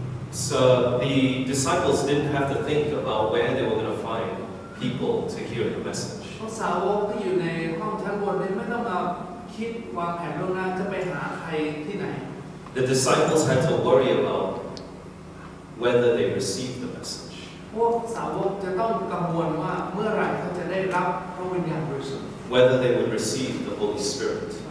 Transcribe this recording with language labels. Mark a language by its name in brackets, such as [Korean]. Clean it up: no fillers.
[English] So the disciples didn't have to think about where they were going to find people to hear the message [Thai] พวกสาวกที่อยู่ในห้องชั้นบนไม่ต้องมาคิดวางแผนล่วงหน้าจะไปหาใครที่ไหน [English] The disciples had to worry about whether they received the message [Thai] พวกสาวกจะต้องกังวลว่าเมื่อไหร่เขาจะได้รับพระวิญญาณบริสุทธิ์ [English] whether they would receive the Holy Spirit.